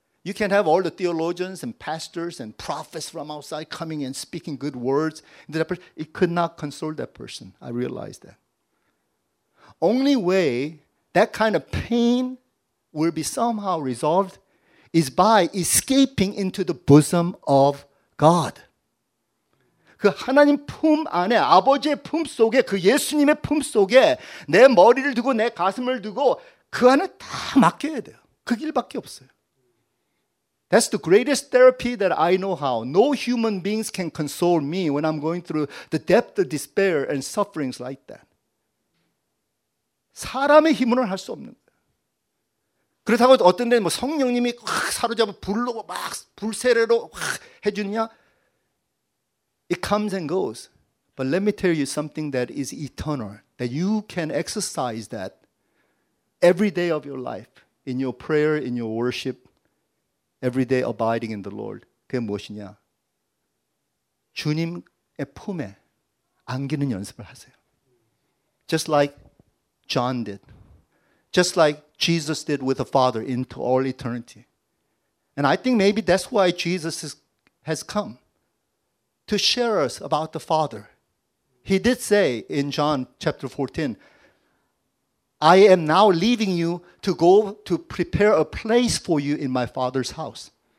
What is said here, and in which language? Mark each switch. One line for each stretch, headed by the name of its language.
English: You can't have all the theologians and pastors and prophets from outside coming and speaking good words. It could not console that person. I realized that. Only way that kind of pain will be somehow resolved is by escaping into the bosom of God.
Korean: 그 하나님 품 안에, 아버지의 품 속에, 그 예수님의 품 속에 내 머리를 두고 내 가슴을 두고 그 안에 다 맡겨야 돼요. 그 길밖에 없어요.
English: That's the greatest therapy that I know how. No human beings can console me when I'm going through the depth of despair and sufferings like that.
Korean: 사람의 힘으로는 할 수 없는 거예요. 그렇다고 어떤 데 뭐 성령님이 확 사로잡아 불로 막 불세례로 확 해주느냐?
English: It comes and goes. But let me tell you something that is eternal, that you can exercise that every day of your life, in your prayer, in your worship, every day abiding in the Lord.
Korean: 그게 무엇이냐? 주님의 품에 안기는 연습을 하세요.
English: Just like John did. Just like Jesus did with the Father into all eternity. And I think maybe that's why Jesus has come, to share us about the Father. He did say in John chapter 14, I am now leaving you to go to prepare a place for you in my Father's house.